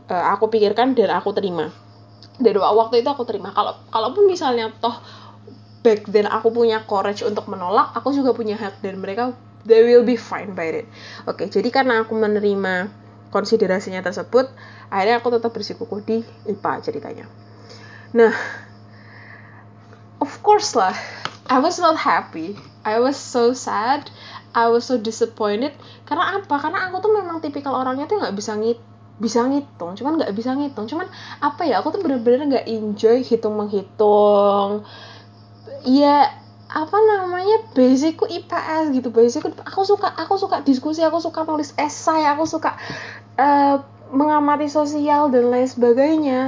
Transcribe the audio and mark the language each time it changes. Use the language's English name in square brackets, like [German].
[Indonesian] Aku pikirkan dan aku terima. Dari waktu itu aku terima. Kalaupun misalnya toh [English] back then [Indonesian] aku punya courage untuk menolak, aku juga punya hak dan mereka, [English] they will be fine by it. [Indonesian] Oke, jadi karena aku menerima konsiderasinya tersebut, akhirnya aku tetap bersikukuh di IPA ceritanya. [English] Nah, of course lah, I was not happy. I was so sad. I was so disappointed. [Indonesian] Karena apa? Karena aku tuh memang tipikal orangnya tuh gak bisa ngitung. Cuman apa ya, aku tuh bener-bener gak enjoy hitung-menghitung. Ya, apa namanya, basicku IPS gitu, basicku aku suka diskusi, aku suka nulis esai, aku suka mengamati sosial dan lain sebagainya.